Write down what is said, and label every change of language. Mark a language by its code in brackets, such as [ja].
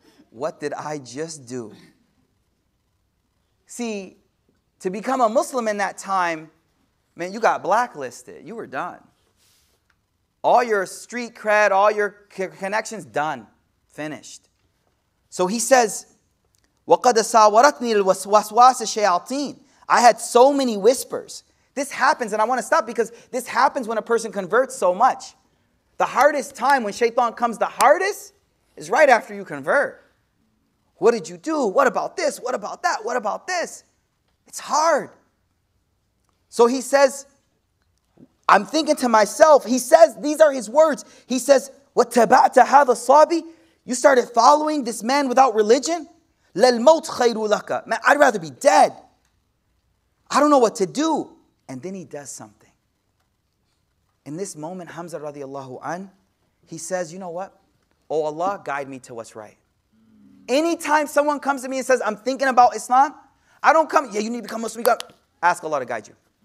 [en] What did I just do? See, to become a Muslim in that time, man, you got blacklisted. You were done. All your street cred, all your connections, done. Finished. So he says, [ar] وَقَدَ سَاوَرَتْنِي الْوَسْوَاسِ الشَّيَاطِينَ. [en] I had so many whispers. This happens, and I want to stop because this happens when a person converts so much. The hardest time when shaitan comes the hardest is right after you convert. What did you do? What about this? What about that? What about this? It's hard. So he says, I'm thinking to myself, he says, these are his words. He says, [ar] وَتَبَعْتَ هَذَا الصَّابِي. [en] You started following this man without religion? [ar] لَلْمَوْتْ خَيْرُ لَكَ. [en] Man, I'd rather be dead. I don't know what to do. And then he does something. In this moment, Hamza radiallahu an, he says, you know what? Oh Allah, guide me to what's right. Anytime someone comes to me and says, I'm thinking about Islam, I don't come, yeah, you need to become Muslim. Ask Allah to guide you.